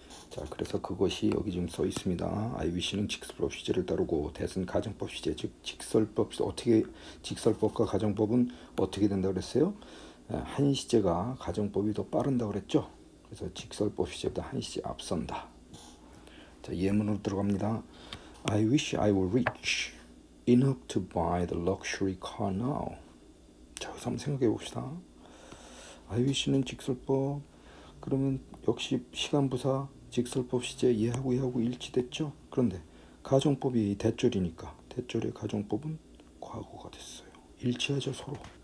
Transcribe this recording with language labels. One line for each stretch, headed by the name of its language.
Korean: 자, 그래서 그것이 여기 지금 써 있습니다. I wish는 직설법 시제를 따르고 that은 가정법 시제, 즉 직설법. 어떻게 직설법과 가정법은 어떻게 된다 그랬어요? 한 시제가 가정법이 더 빠른다 그랬죠. 그래서 직설법 시제보다 한 시제 앞선다. 자, 예문으로 들어갑니다.
English: I wish I were rich enough to buy the luxury car now.
Korean: 자, 그래서 한번 생각해 봅시다. I wish는 직설법. 그러면 역시 시간 부사 직설법 시제 얘하고 얘하고 일치됐죠. 그런데 가정법이 대절이니까 대절의 가정법은 과거가 됐어요. 일치하죠 서로.